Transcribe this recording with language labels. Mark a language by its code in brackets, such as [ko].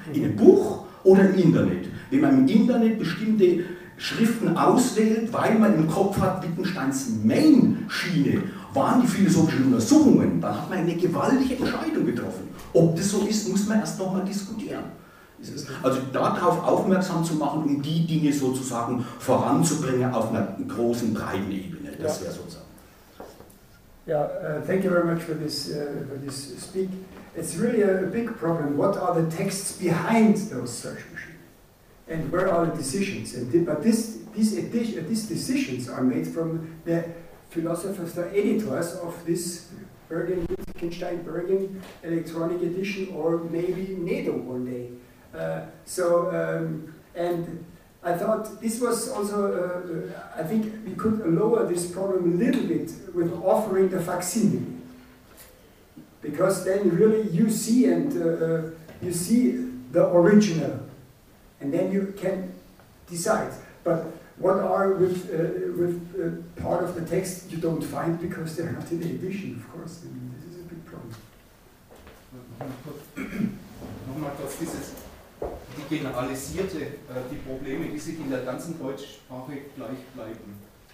[de] In einem Buch oder im Internet? Wenn man im Internet bestimmte Schriften auswählt, weil man im Kopf hat, Wittgensteins Main-Schiene waren die philosophischen Untersuchungen, dann hat man eine gewaltige Entscheidung getroffen. Ob das so ist, muss man erst nochmal diskutieren. Also darauf aufmerksam zu machen, um die Dinge sozusagen voranzubringen auf einer großen, breiten Ebene. Das wäre sozusagen. [en] Yeah, thank you very much for this speak. It's really a big problem. What are the texts behind those search machines? And where are the decisions? And these decisions are made from the philosophers, the editors of this Bergen, Wittgenstein Bergen electronic edition, or maybe NEDO one day. And I thought this was also, I think we could lower this problem a little bit with offering the facsimile. Because then really you see you see the original, and then you can decide. But what are with part of the text you don't find because they're not in the edition, of course. I mean, this is a big problem. [de] Nochmal kurz dieses, die generalisierte, die Probleme, die sich in der ganzen Deutschsprache gleich bleiben.